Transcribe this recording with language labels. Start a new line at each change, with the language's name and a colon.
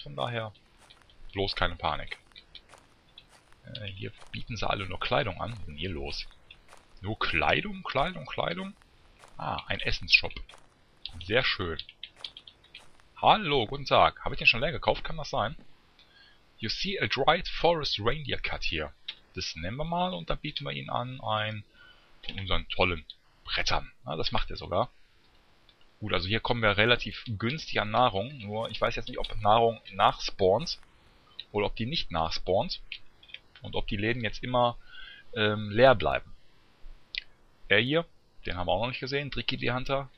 German: Von daher, bloß keine Panik. Hier bieten sie alle nur Kleidung an. Was ist denn hier los? Nur Kleidung, Kleidung, Kleidung? Ah, ein Essensshop. Sehr schön. Hallo, guten Tag. Habe ich den schon leer gekauft? Kann das sein?
English: You see a dried forest reindeer cut here.
German: Das nehmen wir mal und da bieten wir ihn an ein von unseren tollen Brettern. Na, das macht er sogar. Gut, also hier kommen wir relativ günstig an Nahrung. Nur ich weiß jetzt nicht, ob Nahrung nachspawnt oder ob die nicht nachspawnt. Und ob die Läden jetzt immer leer bleiben. Er hier, den haben wir auch noch nicht gesehen. Tricky the Hunter.